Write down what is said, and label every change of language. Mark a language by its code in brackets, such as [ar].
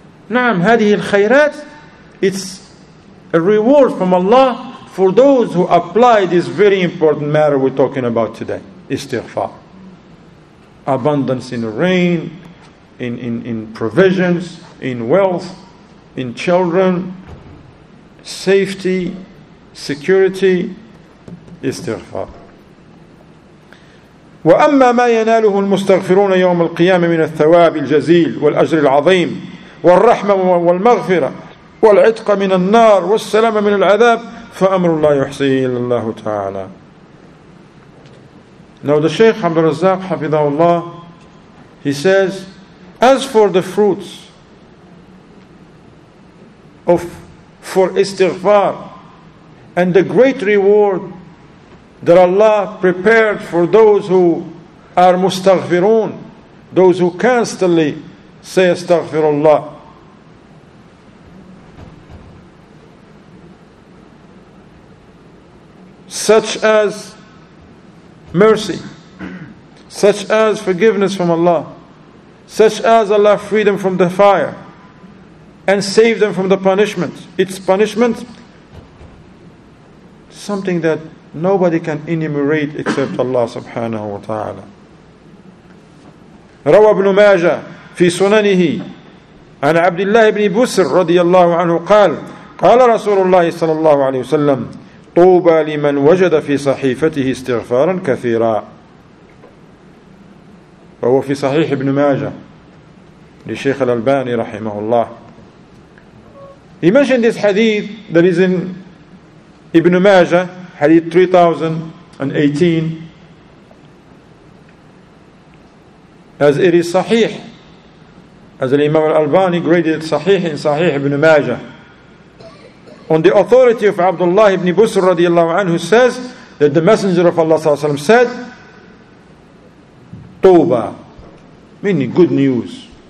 [ar] نعم هذه الخيرات, [en] it's a reward from Allah for those who apply this very important matter we're talking about today, istighfar. Abundance in rain, in provisions, in wealth, in children, safety, security, istighfar. [ar] وأما ما يناله المستغفرون يوم القيامة من الثواب الجزيل والأجر العظيم والرحمة والمغفرة والعتق من النار والسلامة من العذاب فأمر الله يحصيه إلى الله تعالى. [en] Now the Shaykh Abdul Razzaq حفظه الله, he says, as for the fruits of for istighfar and the great reward that Allah prepared for those who are mustaghfirun, those who constantly say astaghfirullah. Such as mercy, such as forgiveness from Allah, such as Allah freed them from the fire and saved them from the punishment. It's punishment, something that nobody can enumerate except Allah subhanahu wa ta'ala. [ar] روى ابن ماجه في سننه عن عبد الله بن بسر رضي الله عنه قال قال رسول الله صلى الله عليه وسلم طوبى لمن وجد في صحيفته استغفارا كثيرا. وهو في صحيح ابن ماجه لشيخ الألباني رحمه الله. [en] He mentioned this hadith that is in Ibn Majah, Hadith 3018, as it is sahih, as the Imam al-Albani graded sahih in Sahih ibn Majah, on the authority of Abdullah ibn Busr radiallahu anhu, says that the Messenger of Allah sallallahu alayhi wa sallam said Toba, meaning good news.